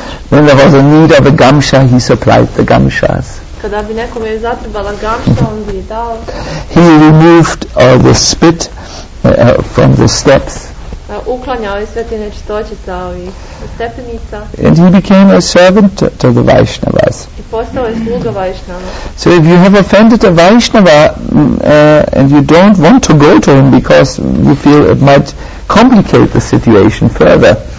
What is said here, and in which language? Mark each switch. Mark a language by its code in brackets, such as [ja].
[en] When there was a need of a gamsha, he supplied the gamshas. [bs] Kada bi nekome zatrebala gamša, on bi je dao. [en] He removed all the spit from the steps. [bs] Uklanjao je sve te nečistoće sa ovih stepenica. [en] And he became a servant to the Vaishnavas. [bs] I postao je sluga Vaishnava. [en] So if you have offended a Vaishnava and you don't want to go to him because you feel it might complicate the situation further.